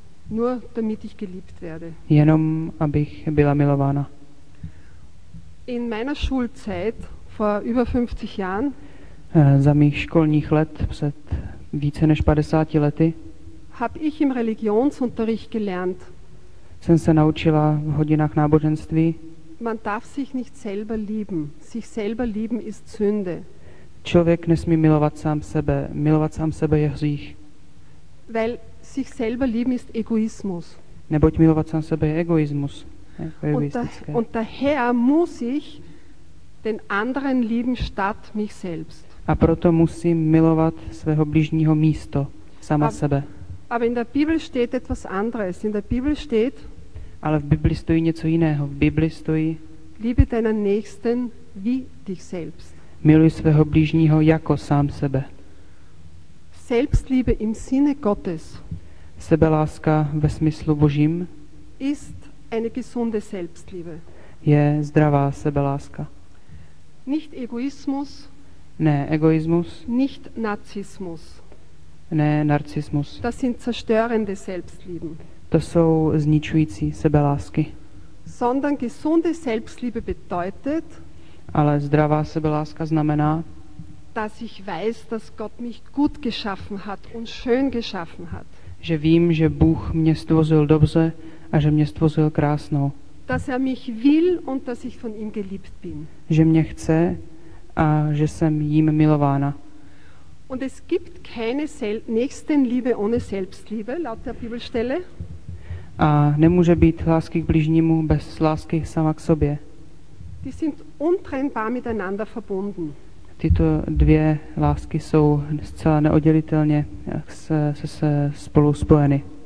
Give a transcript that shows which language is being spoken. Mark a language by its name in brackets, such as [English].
[German] Nur damit ich geliebt werde. [Czech] Jenom abych byla milována. [German] In meiner Schulzeit vor über 50 Jahren. [Czech] Za mých školních let před více než 50 lety. [German] Habe ich im Religionsunterricht gelernt. [Czech] Jsem se naučila v hodinách náboženství. [German] Man darf sich nicht selber lieben. Sich selber lieben ist Sünde. [Czech] Člověk nesmí milovat sám sebe. Milovat sám sebe je hřích. [German] Weil sich selber lieben ist Egoismus. [Czech] Neboť milovat sám sebe je egoismus. [German] Und daher muss ich den anderen lieben statt mich selbst. [Czech] A proto musím milovat svého bližního místo sama sebe. [German] Aber in der Bibel steht etwas anderes. In der Bibel steht. [Czech] Ale v Bibli stojí něco jiného. V Bibli stojí. [German] Liebe deinen Nächsten wie dich selbst. [Czech] Miluj svého bližního jako sám sebe. [German] Selbstliebe im Sinne Gottes. [Czech] Sebeláska ve smyslu Božím. [German] Ist eine gesunde Selbstliebe. [Czech] Je zdravá sebeláska. [German] Nicht Egoismus. [Czech] Ne egoismus. [German] Nicht Narzissmus. [Czech] Ne narcismus. [German] Das sind zerstörende Selbstlieben. [Czech] To jsou zničující sebelásky. [German] Sondern gesunde Selbstliebe bedeutet. [Czech] Ale zdravá sebeláska znamená, [German] dass ich weiß, dass Gott mich gut geschaffen hat und schön geschaffen hat. [Czech] Že vím, že Bůh mě stvořil dobře a že mě stvořil krásnou. [German] Dass er mich will und dass ich von ihm geliebt bin. [Czech] Že mě chce a že jsem jím milována. [German] Und es gibt keine Nächstenliebe ohne Selbstliebe laut der Bibelstelle. [Czech] A nemůže být lásky k bližnímu bez lásky sama k sobě. [German] Die sind untrennbar miteinander verbunden. [Czech] Tyto dvě lásky jsou zcela neoddělitelně se spolu spojeny.